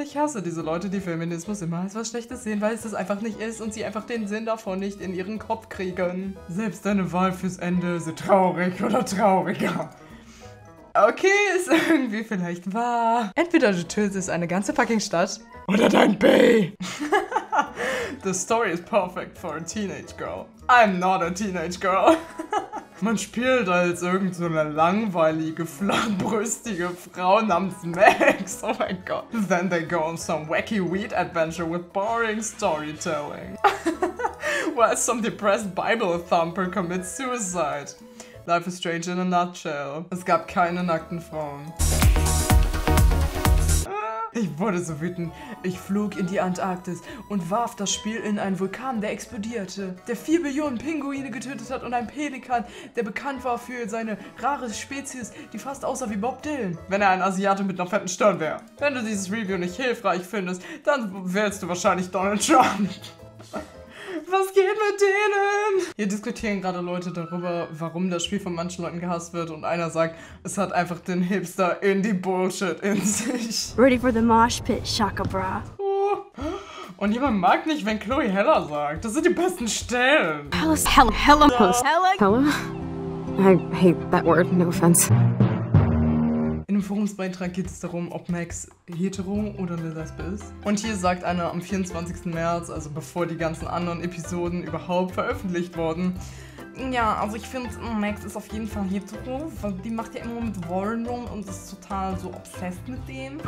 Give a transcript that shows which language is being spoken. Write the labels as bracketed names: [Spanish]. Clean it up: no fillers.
[German] Ich hasse diese Leute, die Feminismus immer als was Schlechtes sehen, weil es das einfach nicht ist und sie einfach den Sinn davon nicht in ihren Kopf kriegen. Selbst deine Wahl fürs Ende, sie traurig oder trauriger. Okay, ist irgendwie vielleicht wahr. Entweder du tötest eine ganze fucking Stadt. Oder dein B. [English] The story is perfect for a teenage girl. I'm not a teenage girl. [German] Man spielt als irgend so eine langweilige, flachbrüstige Frau namens Max. Oh mein Gott. [English] Then they go on some wacky weed adventure with boring storytelling. While some depressed Bible thumper commits suicide. Life is strange in a nutshell. [German] Es gab keine nackten Frauen. Ich wurde so wütend. Ich flog in die Antarktis und warf das Spiel in einen Vulkan, der explodierte. Der 4 Billionen Pinguine getötet hat und ein Pelikan, der bekannt war für seine rare Spezies, die fast aussah wie Bob Dylan. Wenn er ein Asiate mit einer fetten Stirn wäre. Wenn du dieses Review nicht hilfreich findest, dann wählst du wahrscheinlich Donald Trump. Was geht mit denen? Hier diskutieren gerade Leute darüber, warum das Spiel von manchen Leuten gehasst wird und einer sagt, es hat einfach den Hipster Indie-Bullshit in sich. [English] Ready for the mosh pit, Shaka Bra. Oh. [German] Und jemand mag nicht, wenn Chloe Heller sagt. Das sind die besten Stellen. [English] Hellas, hell, hella, post, hella, hella. I hate that word, no offense. [German] In einem Forumsbeitrag geht es darum, ob Max hetero oder eine Lesbe ist. Und hier sagt einer am 24. März, also bevor die ganzen anderen Episoden überhaupt veröffentlicht wurden. Ja, also ich finde, Max ist auf jeden Fall hetero, weil die macht ja immer mit Wollen rum und ist total so obsessed mit dem.